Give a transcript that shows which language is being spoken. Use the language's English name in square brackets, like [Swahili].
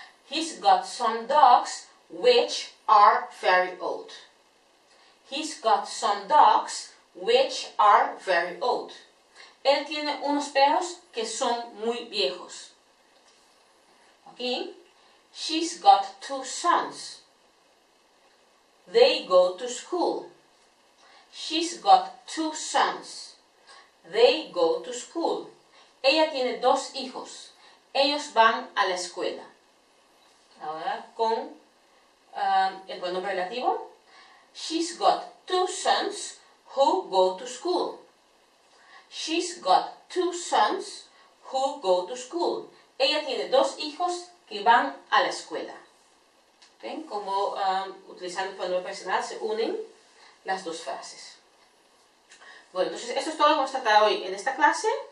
[English] He's got some dogs which are very old. He's got some dogs which are very old. [Spanish] Él tiene unos perros que son muy viejos. Aquí. [English] She's got two sons. They go to school. She's got two sons. They go to school. [Spanish] Ella tiene dos hijos. Ellos van a la escuela. Ahora con el pronombre relativo. [English] She's got two sons who go to school. She's got two sons who go to school. [Spanish] Ella tiene dos hijos que van a la escuela. ¿Ven? Como utilizando el pronombre personal se unen las dos frases. Bueno, entonces esto es todo lo que vamos a tratar hoy en esta clase.